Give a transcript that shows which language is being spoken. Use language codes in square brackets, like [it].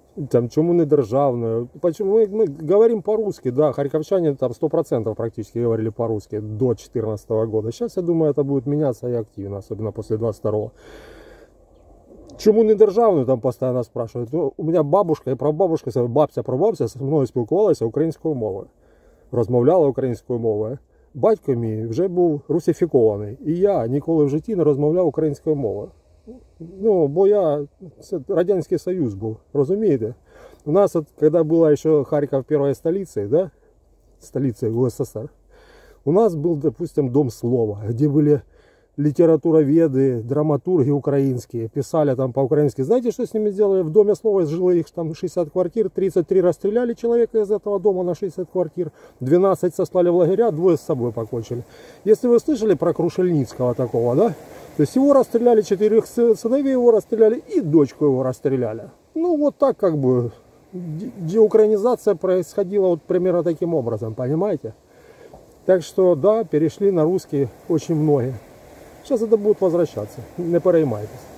[ru] Там, чему не державную. Почему мы говорим по-русски, да, харьковчане там 100% практически говорили по-русски до 14 года. Сейчас, я думаю, это будет меняться и активно, особенно после 22-го. Чему не державную там постоянно спрашивают. Ну, у меня бабушка и прабабушка, [uk] бабця со мной спілкувалася українською мовою. Розмовляла українською мовою. Батько мій вже був русифікований. І я ніколи в житті не розмовляв українською мовою. Ну, бо я Радянський Союз був, розумієте? У нас, от, коли була ще Харків першою столицею, да? Столицею УССР, у нас був, допустимо, Дом Слова, де були літературоведи, драматурги українські, писали там по-українськи. Знаєте, що з ними зробили? В Домі Слова жили їх там 60 квартир, 33 розстріляли чоловіка з цього дому на 60 квартир, 12 [ru] сослали в лагеря, [uk] двоє з собою покончили. Якщо ви слышали про Крушельницького такого, да? [ru] То есть его расстреляли, четырех сыновей его расстреляли и дочку его расстреляли. Ну вот так как бы деукраинизация происходила вот примерно таким образом, понимаете? Так что да, перешли на русский очень многие. Сейчас это будут возвращаться, [uk] не переймайтесь.